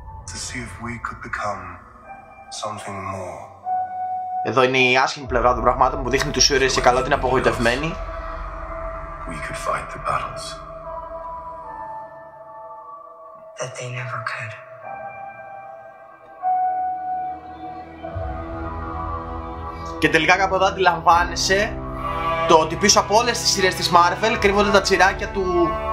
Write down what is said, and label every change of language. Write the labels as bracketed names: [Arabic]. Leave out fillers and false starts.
[English] To see if we could become something more. [Greek] Εδώ είναι η άσχημη πλευρά των πραγμάτων που δείχνει τους ήρωες και καλά την απογοητευμένη. [English] We could fight the battles that they never could. [Greek] Και τελικά κάπου εδώ αντιλαμβάνεσαι το ότι πίσω από όλες τις σειρές της Marvel κρύβονται τα τσιράκια του...